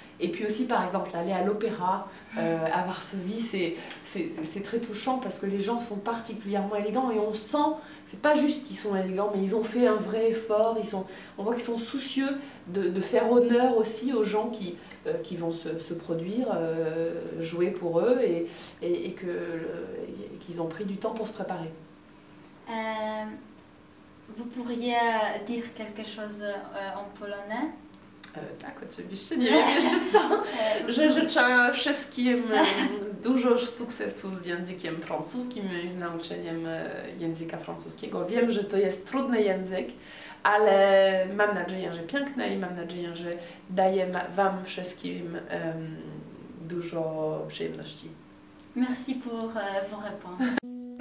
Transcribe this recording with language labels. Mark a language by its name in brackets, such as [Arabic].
[French] Et puis aussi, par exemple, aller à l'opéra à Varsovie, c'est très touchant parce que les gens sont particulièrement élégants et on sent, c'est pas juste qu'ils sont élégants, mais ils ont fait un vrai effort, on voit qu'ils sont soucieux de faire honneur aussi aux gens qui vont se produire, jouer pour eux et qu'ils ont pris du temps pour se préparer. Vous pourriez dire quelque chose en polonais ? [Polish] Tak, oczywiście, nie wiem jeszcze co, że życzę wszystkim dużo sukcesu z językiem francuskim i z nauczeniem języka francuskiego. Wiem, że to jest trudny język, ale mam nadzieję, że piękny i mam nadzieję, że daję Wam wszystkim dużo przyjemności. [French] Merci pour vos réponses.